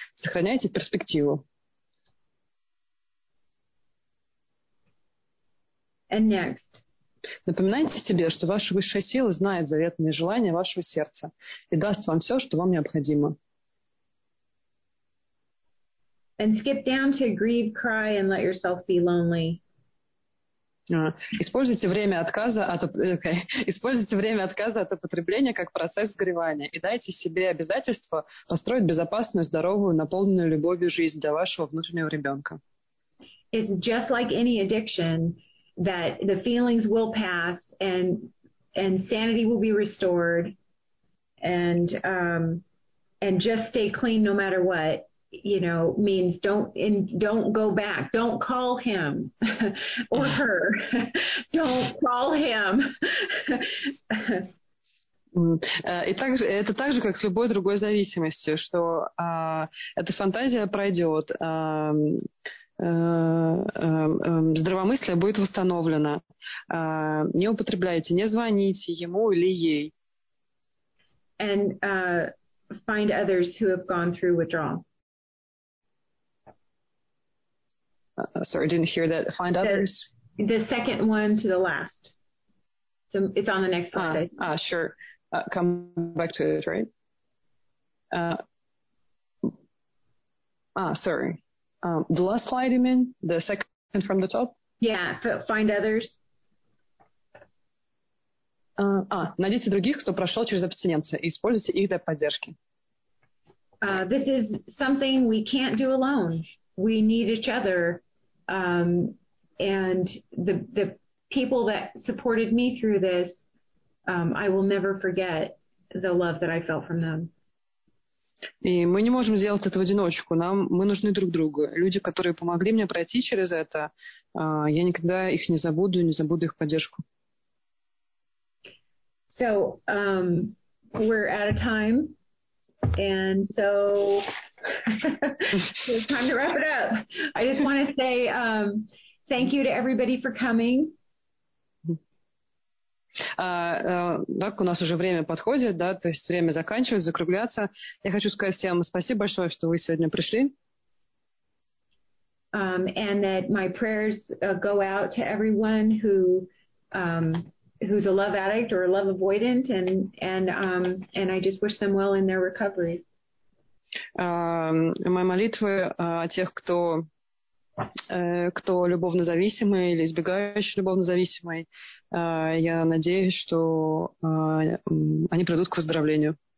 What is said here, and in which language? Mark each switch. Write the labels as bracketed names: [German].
[Russian] Сохраняйте перспективу. [English] And next. [Russian] Напоминайте себе, что ваша высшая сила знает заветные желания вашего сердца и даст вам все, что вам необходимо. [English] And skip down to grieve, cry, and let yourself be lonely. [Russian] Используйте время отказа от употребления как процесс горевания и дайте себе обязательство построить безопасную, здоровую, наполненную любовью жизнь для вашего внутреннего ребенка. [English] It's just like any addiction that the feelings will pass and sanity will be restored and just stay clean no matter what. You know, means don't go back. Don't call him or her. Don't call him. [Russian] И также это так же, как с любой другой зависимостью, что эта фантазия пройдет, здравомыслие будет восстановлено. Не употребляйте, не звоните ему или ей. [English] And find others who have gone through withdrawal. Sorry, I didn't hear that. Find others. The second one to the last. So it's on the next slide. Sure. Come back to it, right? Sorry. The last slide, you mean? The second from the top? Yeah, find others. [Russian] Найдите других, кто прошел через абстиненцию, и используйте их для поддержки. [English] This is something we can't do alone. We need each other. And the people that supported me through this, I will never forget the love that I felt from them. [Russian] И мы не можем сделать это в одиночку. Мы нужны друг другу. Люди, которые помогли мне пройти через это, я никогда их не забуду, не забуду их поддержку. [English] So, we're out of time. And so... It's time to wrap it up. I just want to say thank you to everybody for coming. [Russian] Так, у нас уже время подходит, да, то есть время заканчивается, закругляться. Я хочу сказать всем спасибо большое, что вы сегодня пришли. [English] And that my prayers go out to everyone who who's a love addict or a love avoidant, and I just wish them well in their recovery. [Russian] мои молитвы о тех, кто, кто любовно зависимый или избегающий любовно зависимый. Я надеюсь, что они придут к выздоровлению.